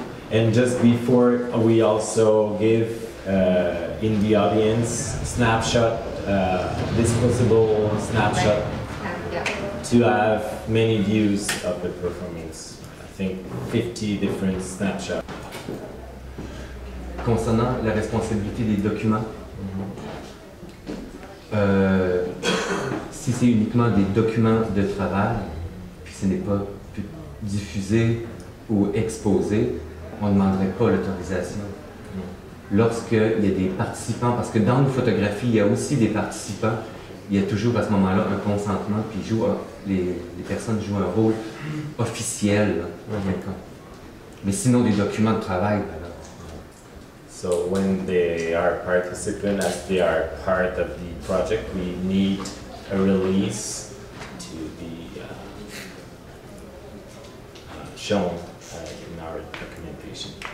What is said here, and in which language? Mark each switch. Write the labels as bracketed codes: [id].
[en] And just before, we also give in the audience snapshot, disposable snapshot, to have many views of the performance. I think 50 different snapshots. [fr] Concernant la responsabilité des documents, si c'est uniquement des documents de travail, puis ce n'est pas diffusé ou exposé, on ne demanderait pas l'autorisation. Lorsqu'il y a des participants, parce que dans nos photographies, il y a aussi des participants, il y a toujours à ce moment-là un consentement, puis les personnes jouent un rôle officiel. Mm-hmm. Mais sinon, des documents de travail, [en] so when they are participants, as they are part of the project, we need a release to be shown in our documentation.